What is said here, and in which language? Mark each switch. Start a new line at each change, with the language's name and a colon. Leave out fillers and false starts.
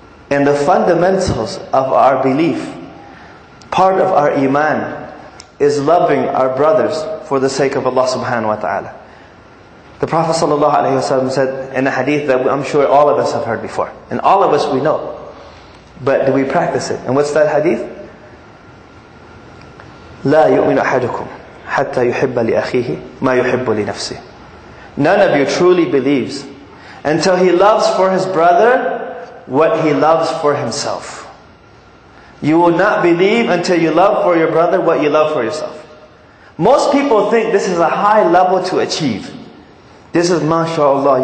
English: And the fundamentals of our belief, part of our iman, is loving our brothers for the sake of Allah subhanahu wa ta'ala. The Prophet sallallahu alaihi wasallam said in a hadith that I'm sure all of us have heard before, and all of us we know, but do we practice it? And what's that hadith?
Arabic: "لا يؤمن أحدكم حتى يحب لأخيه ما يحب لنفسه."
English: None of you truly believes until he loves for his brother what he loves for himself. You will not believe until you love for your brother what you love for yourself. Most people think this is a high level to achieve. This is mashallah.